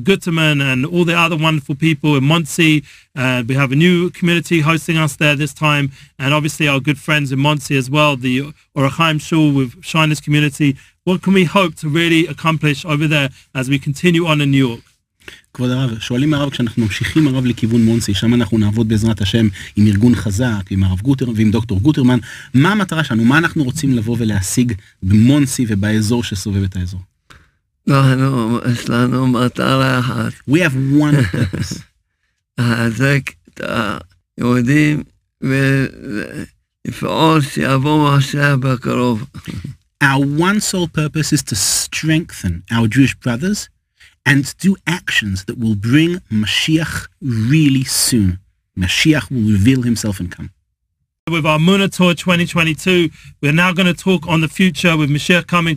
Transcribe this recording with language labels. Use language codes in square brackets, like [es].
[en] Gutterman and all the other wonderful people in Muncie? We have a new community hosting us there this time, and obviously our good friends in Muncie as well, the Orach Chaim Shul with Shiner's community. What can we hope to really accomplish over there as we continue on in New York? [he] כבוד הרב, שואלים הרב, כשאנחנו ממשיכים הרב לכיוון מונסי, שם אנחנו נעבוד בעזרת השם עם ארגון חזק, עם הרב גוטר ועם דוקטור גוטרמן, מה המטרה שלנו, מה אנחנו רוצים לבוא ולהשיג במונסי ובאזור שסובב את האזור? אנחנו, יש לנו מטרה אחת. [en] We have one purpose. [he] להחזק את היהודים ולפעול שיבוא משיח בקרוב. [en] Our one sole purpose is to strengthen our Jewish brothers and to do actions that will bring Mashiach really soon. Mashiach will reveal himself and come. With our Emunah Tour 2022, we're now going to talk on the future with Mashiach coming.